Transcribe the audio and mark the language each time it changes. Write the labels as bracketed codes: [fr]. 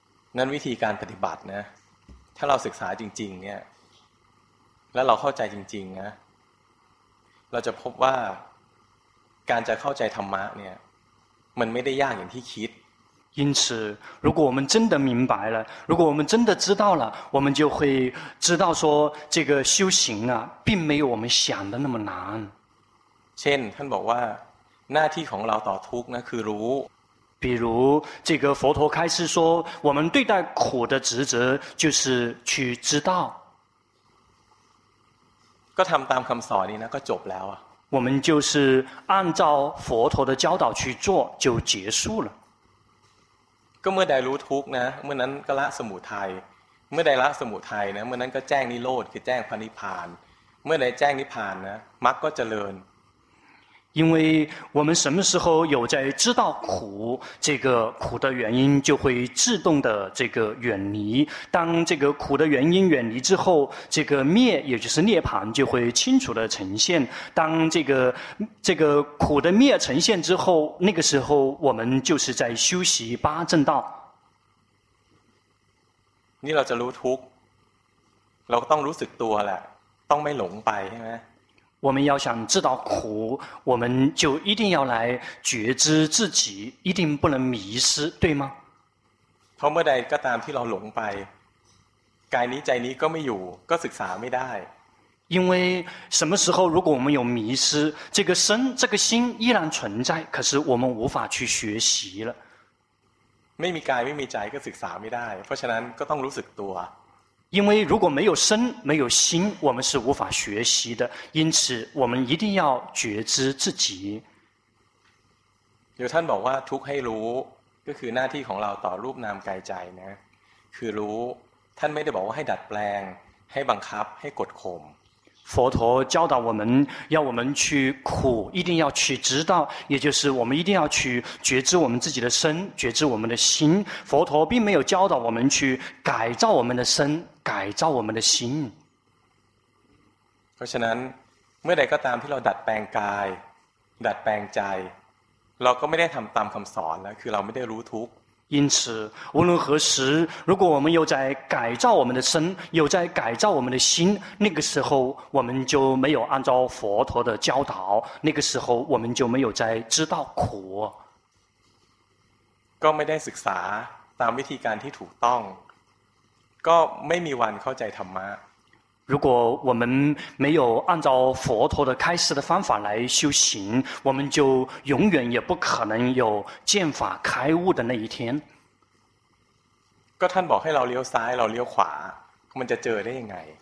[th] 那วิธีการปฏิบัตินะถ้าเราศึกษาจริงๆเนี่ยแล้วเราเข้าใจจริงๆนะเราจะพบว่าการจะเข้าใจธรรมะเนี่ยมันไม่ได้ยากอย่างที่คิด [zh] 因此如果我们真的明白了如果我们真的知道了我们就会知道说这个修行啊并没有我们想的那么难 [th] เช่นท่านบอกว่าหน้าที่ของเราต่อทุกข์นะคือรู้ [zh] 比如这个佛陀开示说我们对待苦的职责就是去知道 [th] ก็ทําตามคําสอนนี้นะก็จบแล้วอ่ะ [zh] 我们就是按照佛陀的教导去做就结束了 [th] ก็เมื่อได้รู้ทุกข์นะเมื่อนั้นก็ละสมุทัยเมื่อได้ละสมุทัยนะเมื่อนั้นก็แจ้งนิโรธคือแจ้งพระนิพพานเมื่อได้แจ้งนิพพานนะมรรคก็เจริญ [zh] 因为我们什么时候有在知道苦，这个苦的原因就会自动的这个远离，当这个苦的原因远离之后，这个灭也就是涅槃就会清楚的呈现，当这个苦的灭呈现之后，那个时候我们就是在修习八正道。 [th] นี่เราจะรู้ทุกข์เราต้องรู้สึกตัวแหละต้องไม่หลงไปใช่ไหม วันนี้เราอยากจะรู้ [zh] 苦我们就一定要来觉知自己一定不能迷失对吗 [th] เพราะเมื่อใดก็ตามที่เราหลงไปกายนี้ใจนี้ก็ไม่อยู่ก็ศึกษาไม่ได้ [zh] 因为什么时候如果我们有迷失这个身这个心依然存在可是我们无法去学习了 [th] ไม่มีกายไม่มีใจก็ศึกษาไม่ได้เพราะฉะนั้นก็ต้องรู้สึกตัว [zh] 因为如果没有身没有心我们是无法学习的因此我们一定要觉知自己 [th] 有ท่านบอกว่าทุกข์ให้รู้ก็คือหน้าที่ของเราต่อรูปนามกายใจนะคือรู้ท่านไม่ได้บอกว่าให้ดัดแปลงให้บังคับให้กดข่ม [zh] 佛陀教导我们要我们去苦一定要去知道也就是我们一定要去觉知我们自己的身觉知我们的心佛陀并没有教导我们去改造我们的身改造我们的心 [th] เพราะฉะนั้นเมื่อใดก็ตามที่เราดัดแปลงกายดัดแปลงใจเราก็ไม่ได้ทําตามคําสอนแล้วคือเราไม่ได้รู้ทุกข์ [zh] 因此无论何时如果我们有在改造我们的身有在改造我们的心那个时候我们就没有按照佛陀的教导那个时候我们就没有在知道苦 [th] ก็ไม่ได้ศึกษาตามวิธีการที่ถูกต้องก็ไม่มีวันเข้าใจธรรมะ [zh] 如果我们没有按照佛陀的开示的方法来修行，我们就永远也不可能有见法开悟的那一天。 [th] ก็ท่านบอกให้เราเลี้ยวซ้ายเราเลี้ยวขวามันจะเจอได้ยังไง？